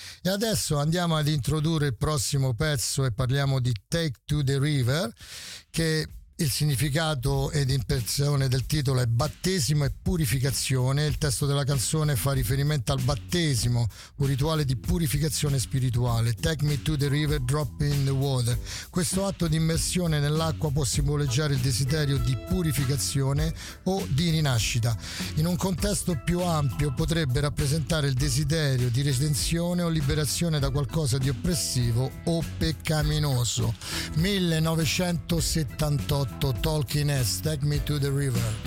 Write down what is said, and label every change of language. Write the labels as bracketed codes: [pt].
[it] E adesso andiamo ad introdurre il prossimo pezzo e parliamo di Take to the River, che il significato ed impressione del titolo è battesimo e purificazione. Il testo della canzone fa riferimento al battesimo, un rituale di purificazione spirituale. [en] Take me to the river, drop in the water. [it] Questo atto di immersione nell'acqua può simboleggiare il desiderio di purificazione o di rinascita. In un contesto più ampio potrebbe rappresentare il desiderio di redenzione o liberazione da qualcosa di oppressivo o peccaminoso. [en] 1978 Talking Heads, Take Me to the River.